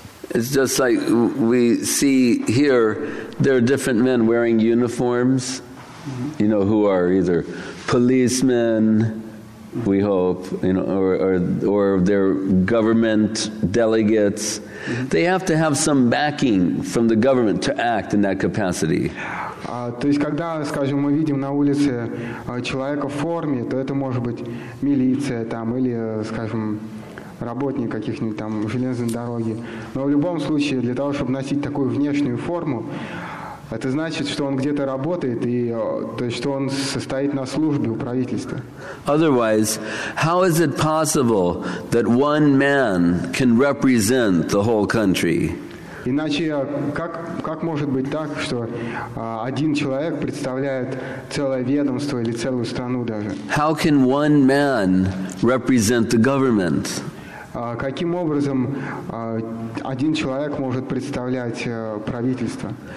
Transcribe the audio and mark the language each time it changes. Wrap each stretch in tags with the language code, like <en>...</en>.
<en>It's just like we see here, there are different men wearing uniforms, you know, who are either policemen, we hope, you know, or they're government delegates. They have to have some backing from the government to act in that capacity.</en> <ru>То есть, когда, скажем, мы видим на улице человека в форме, то это может быть милиция там или, скажем, работник каких-нибудь там железной дороги. Но в любом случае, для того, чтобы носить такую внешнюю форму, это значит, что он где-то работает, и то есть, что он состоит на службе у правительства.</ru> <en>Otherwise, how is it possible that one man can represent the whole country?</en> <ru>Иначе как может быть так, что один человек представляет целое ведомство или целую страну даже?</ru> <en>How can one man represent the government?</en> <ru>Каким образом один человек может представлять правительство?</ru>